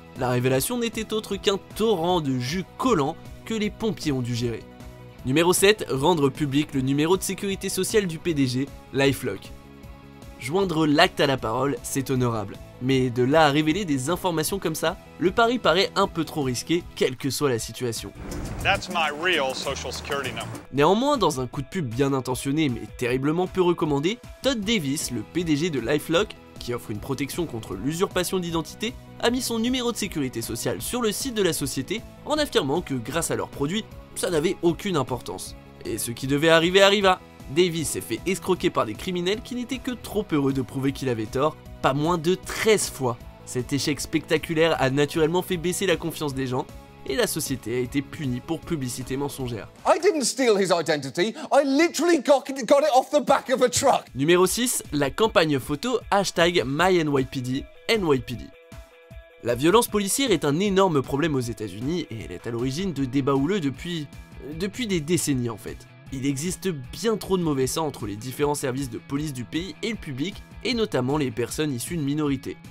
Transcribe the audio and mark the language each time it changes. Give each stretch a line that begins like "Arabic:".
French: La révélation n'était autre qu'un torrent de jus collant que les pompiers ont dû gérer. Numéro 7, rendre public le numéro de sécurité sociale du PDG, LifeLock. Joindre l'acte à la parole, c'est honorable. Mais de là à révéler des informations comme ça, le pari paraît un peu trop risqué, quelle que soit la situation.
English: That's my real social security number.
French: Néanmoins, dans un coup de pub bien intentionné mais terriblement peu recommandé, Todd Davis, le PDG de LifeLock, qui offre une protection contre l'usurpation d'identité, a mis son numéro de sécurité sociale sur le site de la société en affirmant que grâce à leurs produits, ça n'avait aucune importance. Et ce qui devait arriver arriva. Davis s'est fait escroquer par des criminels qui n'étaient que trop heureux de prouver qu'il avait tort, pas moins de 13 fois. Cet échec spectaculaire a naturellement fait baisser la confiance des gens et la société a été punie pour publicité mensongère.
English: I didn't steal his identity, I literally got it off the back of a truck.
French: Numéro 6, la campagne photo hashtag MyNYPD, NYPD. La violence policière est un énorme problème aux États-Unis et elle est à l'origine de débats houleux depuis des décennies en fait. Il existe bien trop de mauvais sang entre les différents services de police du pays et le public, et notamment les personnes issues de minorités.